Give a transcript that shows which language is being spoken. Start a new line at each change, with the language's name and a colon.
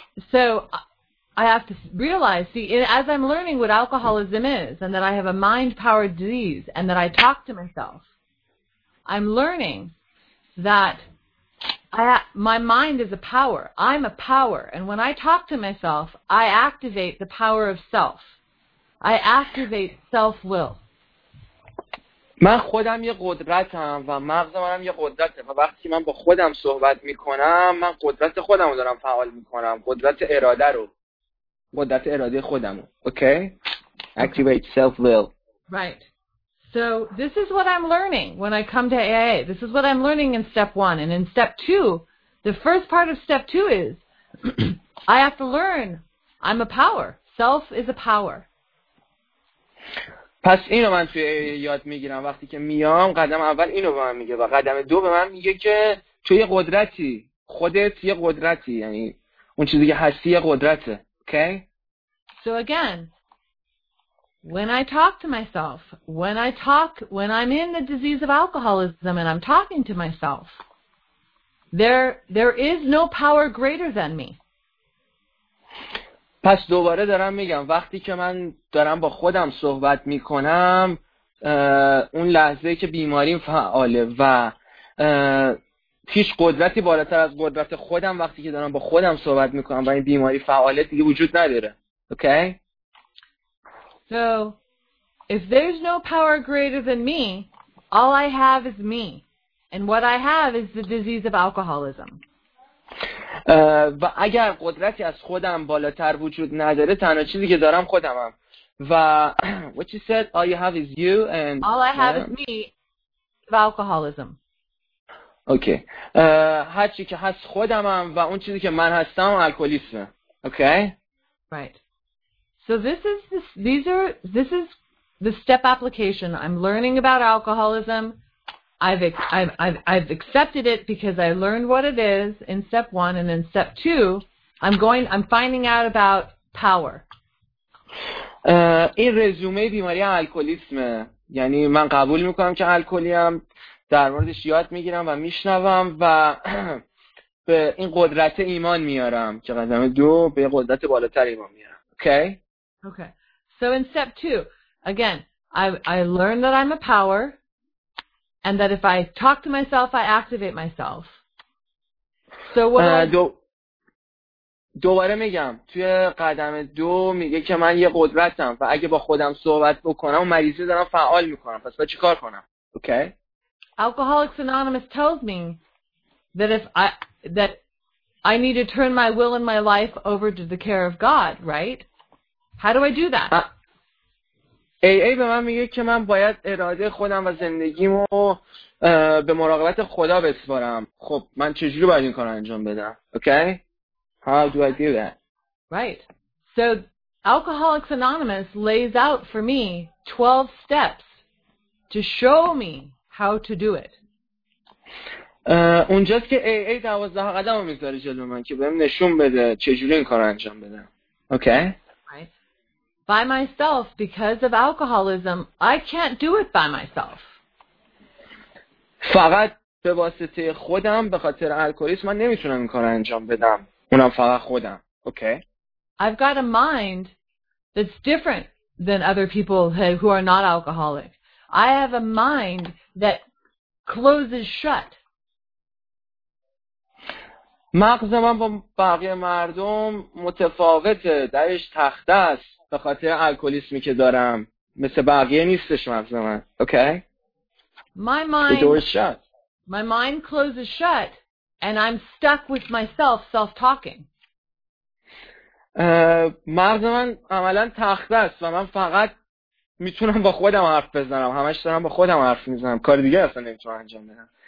English: So I have to realize, see, as I'm learning what alcoholism is and that I have a mind-powered disease and that I talk to myself, I'm learning that my mind is a power. I'm a power. And when I talk to myself, I activate the power of self. I activate self-will.
Persian: من خودم یه قدرتم و مغز منم یه قدرته و وقتی من با خودم صحبت میکنم من قدرت خودم رو دارم فعال میکنم، قدرت اراده رو، قدرت اراده خودم رو.
English: Okay, activate self will. Right. So this is what I'm learning when I come to AA. This is what I'm learning in step one. And in step two, the first part of step two is I have to learn I'm a power. Self is a power.
Persian: پس اینو من توی AA یاد میگیرم. وقتی که میام قدم اول اینو به من میگه و قدم دو به من میگه که تو یه قدرتی، خودت یه قدرتی، یعنی اون چیزی که هستی یه قدرته.
English: Okay? So again, when I talk to myself, when I talk, when I'm in the disease of alcoholism and I'm talking to myself, there is no power greater than me.
Persian: پس دوباره دارم میگم وقتی که من دارم با خودم صحبت میکنم اون لحظه که بیماریم فعاله و هیچ قدرتی بالاتر از قدرت خودم وقتی که دارم با خودم صحبت میکنم و این بیماری فعاله دیگه وجود نداره. اوکی؟
English: So, if there's no power greater than me, all I have is me. And what I have is the disease of alcoholism.
Persian: و اگر قدرتی از خودم بالاتر وجود نداره تنها چیزی که دارم خودمم و
English: what you said, all you have is you and all I have is me of alcoholism. Okay.
Persian: هر چی که هست خودمم و اون چیزی که من هستم الکلیسم.
English: Okay? Right. So this is the step application. I'm learning about alcoholism. I've accepted it because I learned what it is in step one, and then step two, I'm finding out about power.
Persian: این رزومه بیماری الکلیسمه. یعنی من قبول میکنم که الکلیم، در موردش یاد میگیرم و میشنوم و به این قدرت ایمان میارم که قدم دو به قدرت بالاتر ایمان میارم.
English: Okay. Okay. So in step two, again, I learn that I'm a power. And that if I talk to myself, I activate myself. So what
Persian: دوباره میگم توی قدم دو میگه که من یه قدرتم و اگه با خودم صحبت بکنم و مریضی دارم فعال میکنم. پس باید چی کار کنم؟ Okay.
English: Alcoholics Anonymous tells me that if I need to turn my will and my life over to the care of God, right? How do I do that?
Persian: AA به من میگه که من باید اراده خودم و زندگیمو به مراقبت خدا بسپارم. خب من چجوری باید این کار رو انجام بدم؟ Okay?
English: How do I do that? Right. So Alcoholics Anonymous lays out for me 12 steps to show me how to do it.
Persian: اونجاست که AA 12 قدم رو میذاره جلو من که بهم نشون بده چجوری این کار رو انجام بدم.
English: Okay? By myself, because of alcoholism, I can't do it by myself.
Persian: فقط به واسطه خودم به خاطر الکلیسم من نمیتونم این کارو انجام بدم. اونم فقط خودم. Okay.
English: I've got a mind that's different than other people who are not alcoholic. I have a mind that closes shut.
Persian: مغز من با بقیه مردم متفاوته. درش تخته است. به خاطر الکلیسمی که دارم مثل بقیه نیستش مغز من.
English: Okay? My mind, the door is shut. My mind closes shut and I'm stuck with myself self-talking.
Persian: مغز من عملا تخته است و من فقط میتونم با خودم حرف بزنم. همش دارم با خودم حرف میزنم. کار دیگه اصلا نمیتونم انجام بدم.